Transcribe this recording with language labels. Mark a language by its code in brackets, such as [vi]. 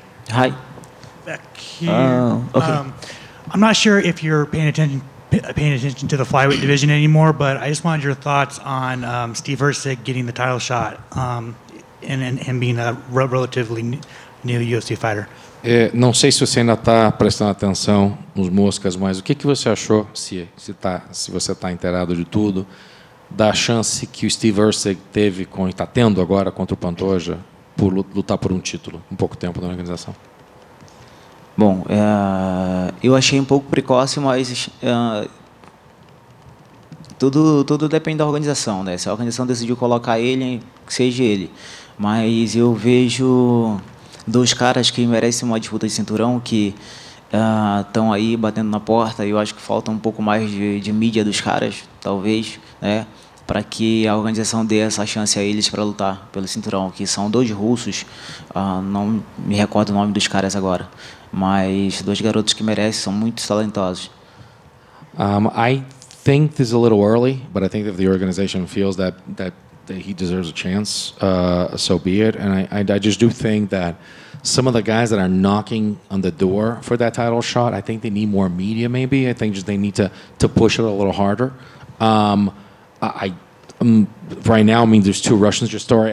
[en] Hi. Back here. Okay. I'm not sure if you're paying attention to the flyweight division anymore, but I just wanted your thoughts on Steve Hirsig getting the title shot and him being a relatively new UFC fighter. [pt] Não sei se você ainda está prestando atenção nos moscas, mas o que você achou, se você está inteirado de tudo, da chance que o Steve Hirsig teve com está tendo agora contra o Pantoja por lutar por um título, um pouco tempo na organização? Bom, eu achei um pouco precoce, mas tudo depende da organização, né? Se a organização decidiu colocar ele, que seja ele. Mas eu vejo dois caras que merecem uma disputa de cinturão, que estão aí batendo na porta, e eu acho que falta um pouco mais de mídia dos caras, talvez, né? Para que a organização dê essa chance a eles para lutar pelo cinturão, que são dois russos, não me recordo o nome dos caras agora. Mas dois garotos que merecem, são muito talentosos. [en] I think this is a little early, but I think if the organization feels that he deserves a chance, so be it. And I just do think that some of the guys that are knocking on the door for that title shot, I think they need more media maybe. I think just they need to push it a little harder. Right now, I mean, there's two Russians, your story.